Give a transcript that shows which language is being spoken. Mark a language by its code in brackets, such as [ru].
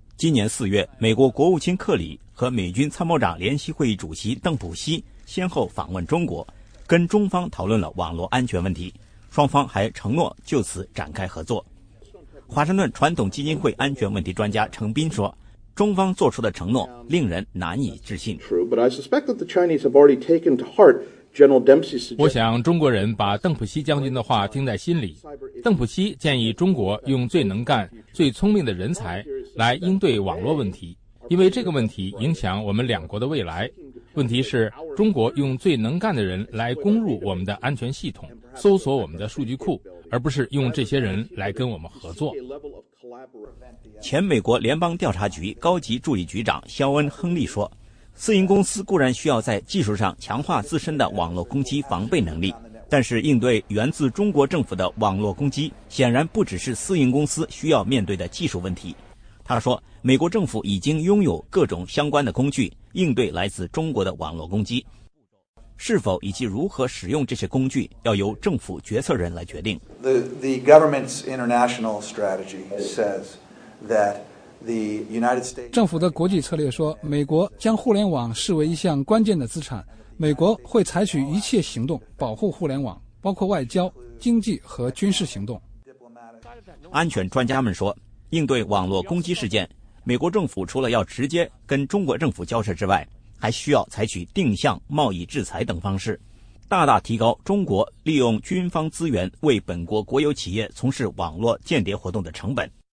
[zh] 今年4月，美国国务卿克里和美军参谋长联席会议主席邓普西先后访问中国，跟中方讨论了网络安全问题，双方还承诺就此展开合作。华盛顿传统基金会安全问题专家程斌说，中方做出的承诺令人难以置信。 [en] True, but I suspect that the Chinese have already taken to heart [zh] 我想中国人把邓普西将军的话听在心里。邓普西建议中国用最能干、最聪明的人才来应对网络问题，因为这个问题影响我们两国的未来。问题是，中国用最能干的人来攻入我们的安全系统，搜索我们的数据库，而不是用这些人来跟我们合作。前美国联邦调查局高级助理局长肖恩·亨利说，私营公司固然需要在技术上强化自身的网络攻击防备能力，但是应对源自中国政府的网络攻击，显然不只是私营公司需要面对的技术问题。他说，美国政府已经拥有各种相关的工具应对来自中国的网络攻击，是否以及如何使用这些工具要由政府决策人来决定。 [en] The government's international strategy says that the United States [zh] 政府的国际策略说，美国将互联网视为一项关键的资产，美国会采取一切行动保护互联网，包括外交、经济和军事行动。安全专家们说，应对网络攻击事件，美国政府除了要直接跟中国政府交涉之外，还需要采取定向贸易制裁等方式，大大提高中国利用军方资源为本国国有企业从事网络间谍活动的成本。